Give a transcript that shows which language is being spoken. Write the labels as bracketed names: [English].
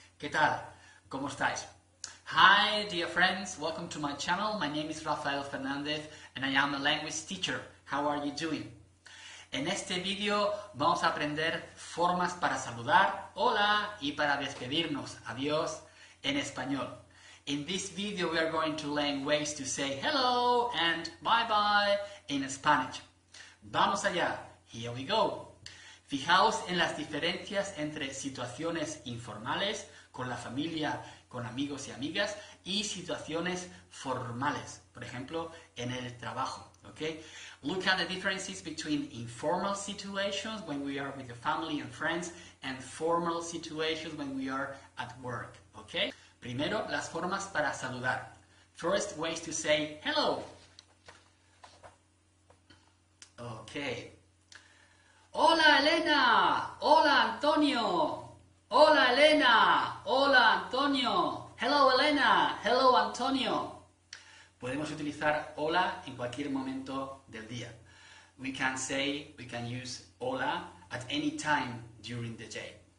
[Spanish] ¿Qué tal? ¿Cómo estáis? [English] Hi, dear friends. Welcome to my channel. My name is Rafael Fernández and I am a language teacher. How are you doing? [Spanish] En este vídeo vamos a aprender formas para saludar, hola, y para despedirnos, adiós, en español. [English] In this video, we are going to learn ways to say hello and bye-bye in Spanish. [Spanish] ¡Vamos allá! [English] Here we go! [Spanish] Fijaos en las diferencias entre situaciones informales, con la familia, con amigos y amigas, y situaciones formales, por ejemplo, en el trabajo. [English] Okay? Look at the differences between informal situations when we are with your family and friends and formal situations when we are at work. Okay? [Spanish] Primero, las formas para saludar. [English] First, ways to say hello. [Spanish] Okay. Hola, Elena. Hola, Antonio. Hola, Elena. Hola, Antonio. [English] Hello, Elena. Hello, Antonio. [Spanish] Podemos utilizar hola en cualquier momento del día. [English] We can use hola at any time during the day.